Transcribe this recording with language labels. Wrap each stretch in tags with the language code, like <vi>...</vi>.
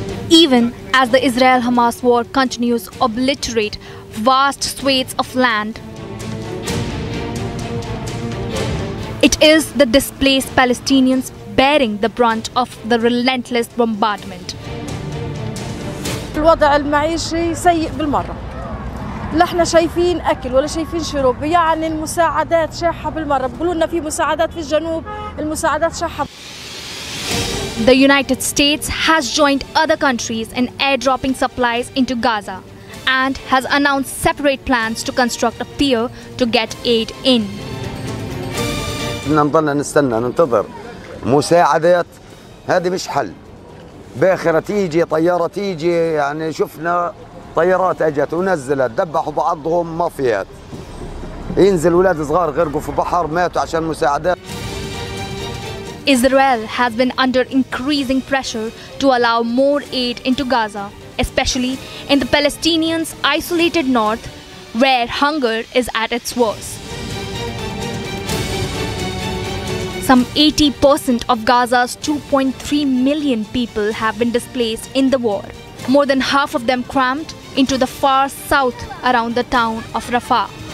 <en>Even as the Israel-Hamas war continues to obliterate vast swathes of land, it is the displaced Palestinians bearing the brunt of the relentless bombardment.</en> <ar>الوضع المعيشي سيء بالمرة. لا احنا شايفين اكل ولا شايفين شرب يعني المساعدات شاحه بالمره بيقولوا لنا في مساعدات في الجنوب المساعدات شاحه.</ar> <en>The United States has joined other countries in airdropping supplies into Gaza and has announced separate plans to construct a pier to get aid in.</en> <ar>بدنا نضلنا نستنى ننتظر مساعدات هذه مش حل باخره تيجي طياره تيجي يعني شفنا طيارات اجت ونزلت ذبحوا بعضهم ما فيات ينزل اولاد صغار غرقوا في البحر ماتوا عشان مساعدات.</ar> <en>Israel has been under increasing pressure to allow more aid into Gaza, especially in the Palestinians' isolated north where hunger is at its worst. Some 80% of Gaza's 2.3 million people have been displaced in the war, more than half of them cramped into the far south around the town of Rafah.</en>